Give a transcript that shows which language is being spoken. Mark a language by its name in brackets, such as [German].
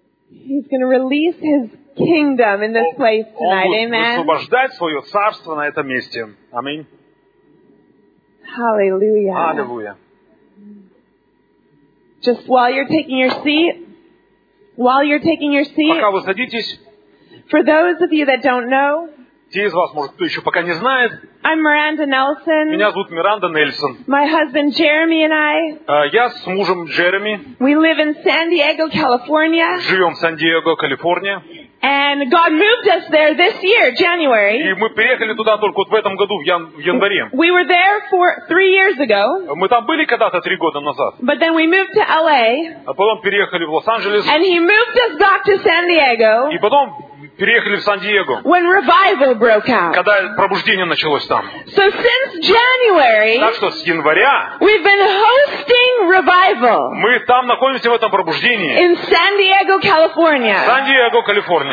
[English] He's going to release his kingdom in this place tonight. Amen. [Russian] Он будет освобождать своё царство на этом месте. Аминь. [English] Hallelujah. Hallelujah. Just while you're taking your seat, [Russian] Пока вы садитесь. [English] For those of you that don't know, [Russian] те из вас, может, кто еще пока не знает. [English] I'm Miranda Nelson. [Russian] Меня зовут Миранда Нельсон. [English] My husband Jeremy and I. [Russian] Я с мужем Джереми. [English] We live in San Diego, California. [Russian] Живем в Сан-Диего, Калифорния. [English] And God moved us there this year, January. [Russian] И мы переехали туда только вот в этом году, в январе. [English] We were there for 3 years ago. [Russian] Мы там были когда-то 3 года назад. [English] But then we moved to LA. [Russian] А потом переехали в Лос-Анджелес. [English] And he moved us back to San Diego. [Russian] И потом переехали в Сан-Диего. [English] When revival broke out. [Russian] Когда пробуждение началось там. [English] So since January, [Russian] так что с января, [English] we've been hosting revival. [Russian] Мы там находимся в этом пробуждении. [English] In San Diego, California. [Russian] Сан-Диего, Калифорния.